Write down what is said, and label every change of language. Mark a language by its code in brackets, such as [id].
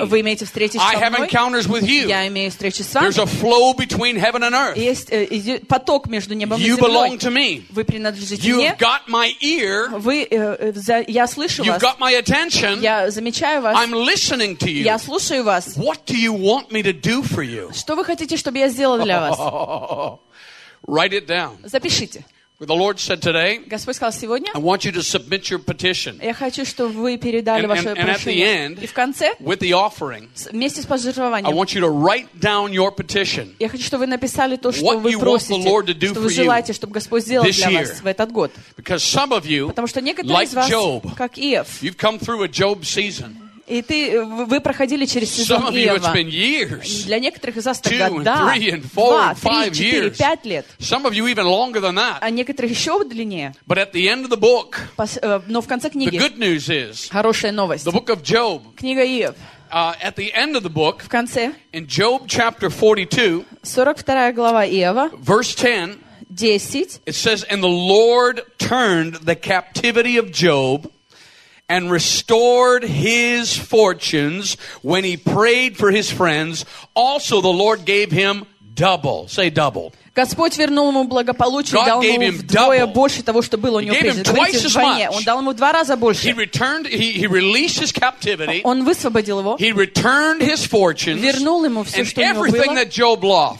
[en] I have encounters with you. There's a flow between heaven and earth. You belong to me. You've got my ear. You've got my attention. I'm listening to you. What do you want me to do for you? [ru] Что вы хотите, чтобы я сделал для вас? [en] Write it down. [ru] Запишите. [en] The Lord said today, [ru] Господь сказал сегодня, [en] I want you to submit your petition. [ru] Я хочу, чтобы вы передали ваше прошение. [en] And at the end, [ru] и в конце, [en] with the offering, [ru] вместе с пожертвованием, [en] I want you to write down your petition. [ru] Я хочу, чтобы вы написали то, что [en] what [ru] вы просите, [en] want the Lord to do [ru] что вы желаете, чтобы Господь сделал для [en] year. [ru] Вас в этот год. [en] Because some of you, [ru] потому что некоторые [en] like [ru] из вас, [en] Job, [ru] как Иов, [en] you've come through a Job season. [ru] И ты, вы проходили через сезон Иова. Для некоторых из вас это года. Два, три, четыре, пять лет. [en] Some of you even longer than that. [ru] А некоторых еще длиннее. [en] But at the end of the book, [ru] но в конце книги. [en] The good news is, [ru] хорошая новость. [en] The book of Job, [ru] книга Иов. [en] At the end of the book, [ru] в конце. [en] In Job chapter 42, [ru] 42 глава Иова. [en] Verse 10, [ru] 10. [en] It says, and the Lord turned the captivity of Job and restored his fortunes when he prayed for his friends. Also, the Lord gave him double. Say double. [ru] Господь вернул ему благополучие, God дал ему вдвое [en] double. [ru] Больше того, что было у него прежде. Он дал ему в два раза больше. [en] He returned, he released his captivity. [ru] Он высвободил его. [en] He returned his fortunes. [ru] Вернул ему все, [en] and [ru] что у него [en] everything [ru] было. [en] That Job lost,